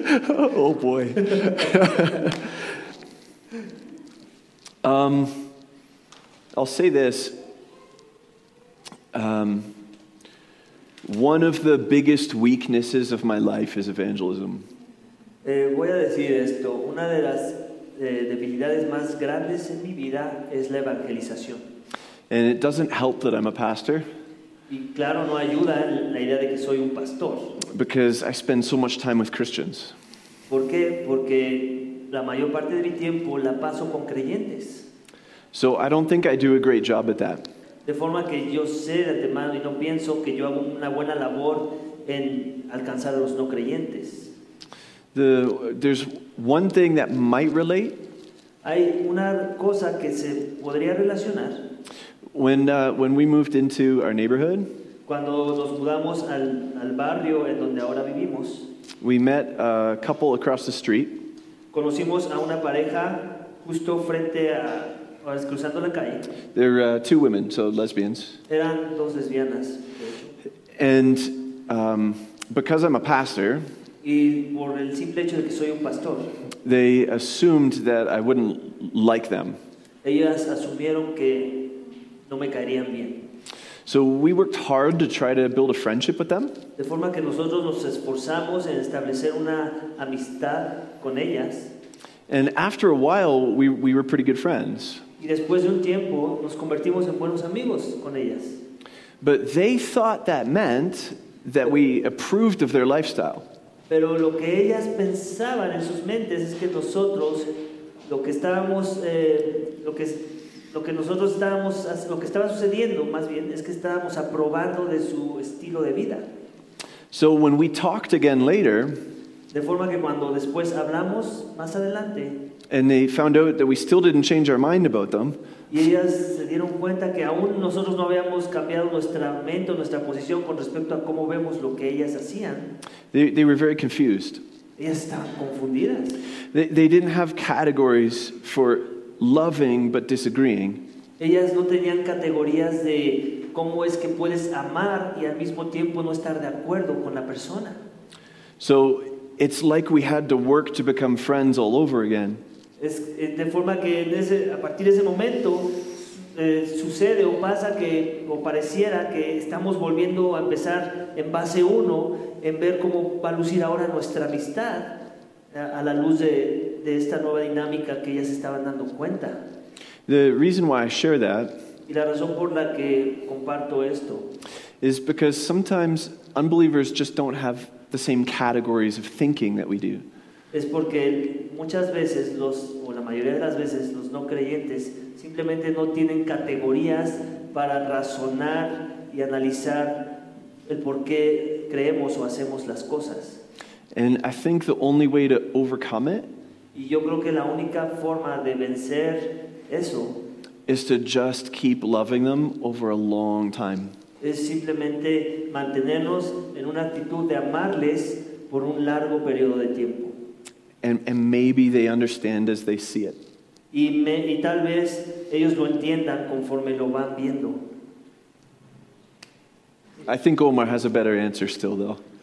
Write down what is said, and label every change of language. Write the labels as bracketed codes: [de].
[en] Oh boy. I'll say this. One of the biggest weaknesses of my life is evangelism. [es] Voy a decir esto. Una de las debilidades más grandes en mi vida es la evangelización. [en] And it doesn't help that I'm a pastor. [es] Y claro, no ayuda la idea de que soy un pastor. [en] Because I spend so much time with Christians. [es] ¿Por qué? Porque la mayor parte de mi tiempo la paso con creyentes. [en] So I don't think I do a great job at that. [es] De forma que yo sé de antemano y no pienso que yo hago una buena labor en alcanzar a los no creyentes. [en] There's one thing that might relate. [es] Hay una cosa que se podría relacionar. [en] When we moved into our neighborhood, [es] cuando nos mudamos al barrio en donde ahora vivimos, [en] we met a couple across the street. [es] Conocimos a una pareja justo frente a cruzando la calle. [en] They're two women, so lesbians. [es] Eran dos lesbianas. [en] And because I'm a pastor, [es] y por el simple hecho de que soy un pastor, [en] they assumed that I wouldn't like them. [es] Ellas asumieron que no me caerían bien. [en] So we worked hard to try to build a friendship with them. [es] De forma que nosotros nos esforzamos en establecer una amistad con ellas. [en] And after a while, we were pretty good friends. [es] Y después de un tiempo, nos convertimos en buenos amigos con ellas. [en] But they thought that meant that we approved of their lifestyle. [es] Pero lo que ellas pensaban en sus mentes es que nosotros, lo que estaba sucediendo, más bien, es que estábamos aprobando de su estilo de vida. [en] So when we talked again later, [es] de forma que cuando después hablamos más adelante, [en] and they found out that we still didn't change our mind about them, [es] y ellas se dieron cuenta que aún nosotros no habíamos cambiado nuestra mente o nuestra posición con respecto a cómo vemos lo que ellas hacían. [en] They were very confused. [es] Ellas estaban confundidas. [en] They didn't have categories for loving but disagreeing. [es] Ellas no tenían categorías de cómo es que puedes amar y al mismo tiempo no estar de acuerdo con la persona. [en] So it's like we had to work to become friends all over again. [es] Es de forma que en ese, a partir de ese momento sucede o pasa que, o pareciera que estamos volviendo a empezar en base uno, en ver cómo va a lucir ahora nuestra amistad a la luz de esta nueva dinámica que ya se estaban dando cuenta. [en] The reason why I share that, [es] y la razón por la que comparto esto, [en] is because sometimes unbelievers just don't have the same categories of thinking that we do. [es] Es porque muchas veces los, o la mayoría de las veces, los no creyentes simplemente no tienen categorías para razonar y analizar el por qué creemos o hacemos las cosas. [en] And I think the only way to overcome it, [es] y yo creo que la única forma de vencer eso, [en] is to just keep loving them over a long time. [es] Es simplemente mantenernos en una actitud de amarles por un largo periodo de tiempo. [en] And maybe they understand as they see it. [es] Y tal vez ellos lo entiendan conforme lo van viendo. [en] I think Omar has a better answer still, though.